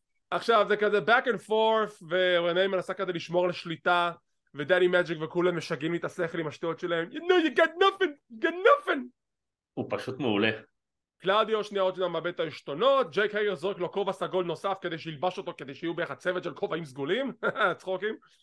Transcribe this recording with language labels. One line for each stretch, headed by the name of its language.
Hebrew: עכשיו זה כזה back and forth, ורנאי מנסה כזה לשמור על שליטה, ודני מג'יק וכולם משגעים את השכל עם השטויות שלהם.
English: You know you got nothing, you got nothing!
Hebrew: הוא פשוט מעולה. קלאודיו שנייה עוד שנייה מבית ההשתונות, ג'ק הייר זורק לו כובע סגול נוסף כדי שילבש אותו, כדי שיהיו בערך הצוות של כובעים סגולים, צחוקים.